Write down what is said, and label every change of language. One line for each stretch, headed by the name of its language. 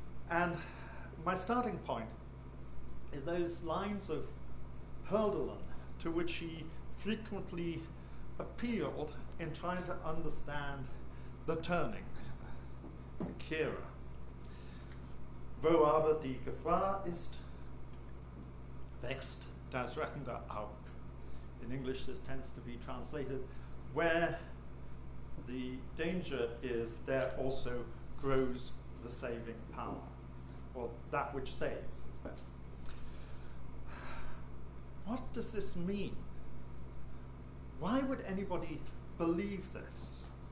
English: And my starting point is those lines of Hölderlin to which he frequently appealed in trying to understand the turning, the Kehre.
German: Wo aber die Gefahr ist, wächst das rettende Auge.
English: In English, this tends to be translated, where the danger is, there also grows the saving power, or that which saves is better. What does this mean? Why would anybody believe this?